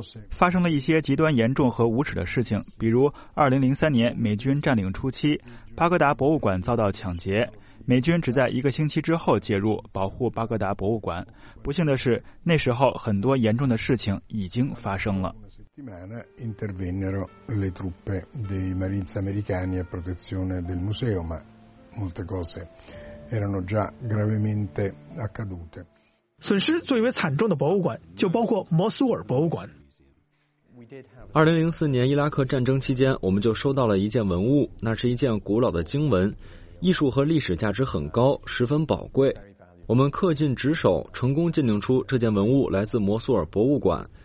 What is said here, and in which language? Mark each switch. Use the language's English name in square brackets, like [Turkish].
[Chinese] 发生了一些极端严重和无耻的事情，比如2003年美军占领初期，巴格达博物馆遭到抢劫，美军只在一个星期之后介入保护巴格达博物馆。不幸的是，那时候很多严重的事情已经发生了。 [Italian] Intervennero le truppe dei Marines americani a protezione del museo, ma molte cose erano già gravemente accadute. [Chinese] 损失最为惨重的博物馆就包括摩苏尔博物馆。 2004年伊拉克战争期间，我们就收到了一件文物，那是一件古老的经文，艺术和历史价值很高，十分宝贵。我们恪尽职守，成功鉴定出这件文物来自摩苏尔博物馆。